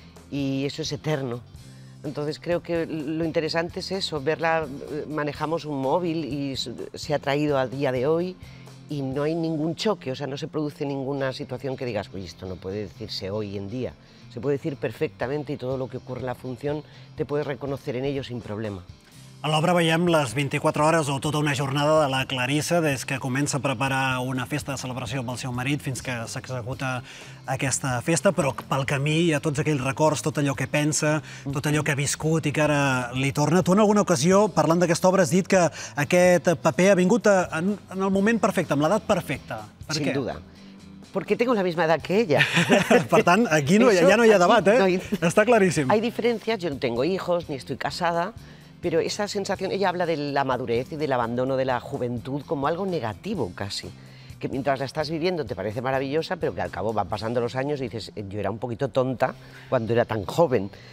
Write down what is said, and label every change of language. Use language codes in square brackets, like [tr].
[es] Y eso es eterno. Entonces creo que lo interesante es eso, verla, manejamos un móvil y se ha traído al día de hoy y no hay ningún choque, o sea, no se produce ninguna situación que digas, oye, esto no puede decirse hoy en día. Se puede decir perfectamente y todo lo que ocurre en la función te puedes reconocer en ello sin problema. [ca] A l'obra veiem les 24 hores o tota una jornada de la Clarissa des que comença a preparar una festa de celebració amb el seu marit fins que s'executa aquesta festa, però pel camí hi ha tots aquells records, tot allò que pensa, tot allò que ha viscut i que ara li torna. Tu en alguna ocasió, parlant d'aquesta obra, has dit que aquest paper ha vingut en el moment perfecte, amb l'edat perfecta. Per què? [es] Sin duda. Porque tengo la misma edad que ella. Por tanto, aquí no, ya no hay debate, ¿eh? Está clarísimo. Hay diferencias, yo no tengo hijos, ni estoy casada, pero esa sensación, ella habla de la madurez y del abandono de la juventud como algo negativo casi, que mientras la estás viviendo te parece maravillosa, pero que al cabo van pasando los años y dices, yo era un poquito tonta cuando era tan joven.